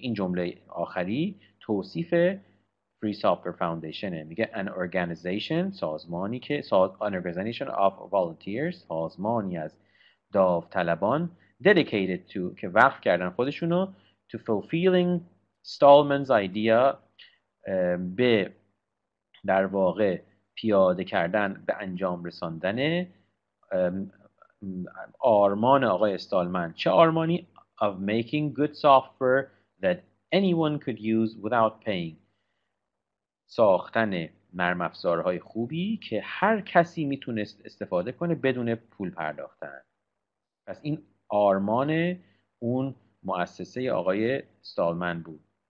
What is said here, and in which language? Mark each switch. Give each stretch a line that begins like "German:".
Persian: این جمله آخری توصیف Free Software Foundation میگه
English: an organization
Persian: سازمانی که
English: an organization of volunteers
Persian: سازمانی از داوطلبان
English: dedicated to
Persian: که وقف کردن خودشونو
English: to fulfilling Stallman's idea
Persian: به در واقع پیاده کردن به انجام رساندن آرمان آقای استالمن. چه آرمانی؟
English: of making good software that anyone could use without paying.
Persian: ساختن نرم‌افزارهای خوبی که هر کسی میتونست استفاده کنه بدون پول پرداختن. پس این آرمان اون مؤسسه آقای استالمن بود.